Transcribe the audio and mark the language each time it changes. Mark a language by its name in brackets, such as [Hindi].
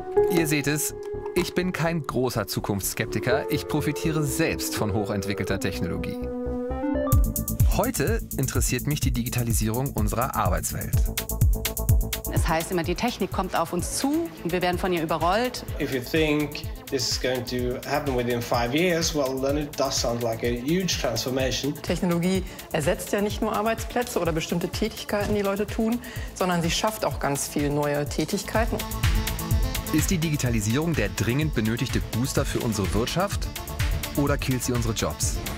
[German] Ihr seht es, ich bin kein großer Zukunftsskeptiker. Ich profitiere selbst von hochentwickelter Technologie. Heute interessiert mich die Digitalisierung unserer Arbeitswelt. Es heißt immer, die Technik kommt auf uns zu und wir werden von ihr überrollt. [English] If you think this is going to happen within 5 years, well, then it does sound like a huge transformation. [German] Technologie ersetzt ja nicht nur Arbeitsplätze oder bestimmte Tätigkeiten, die Leute tun, sondern sie schafft auch ganz viele neue Tätigkeiten. Ist die Digitalisierung der dringend benötigte Booster für unsere Wirtschaft oder killt sie unsere Jobs?